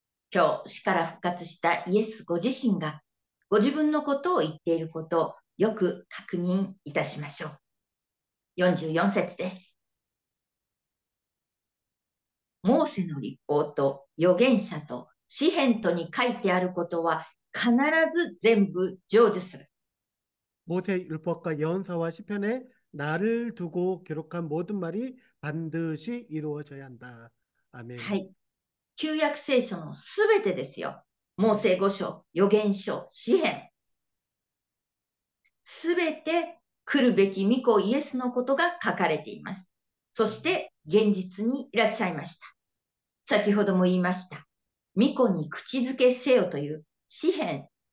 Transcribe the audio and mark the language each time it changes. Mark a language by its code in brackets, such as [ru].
[ja] 今日、死から復活したイエスご自身が、ご自分のことを言っていることをよく確認いたしましょう。 44節です。モーセの律法と預言者と詩編とに書いてあることは必ず全部成就する。 [ko] 모세 율법과 예언서와 시편에 나를 두고 기록한 모든 말이 반드시 이루어져야 한다. 아멘. [ja] はい、旧約聖書のすべてですよ。モーセ五章、預言書、詩編。すべて来るべき御子イエスのことが書かれています。そして現実にいらっしゃいました。先ほども言いました。御子に口づけせよという詩編。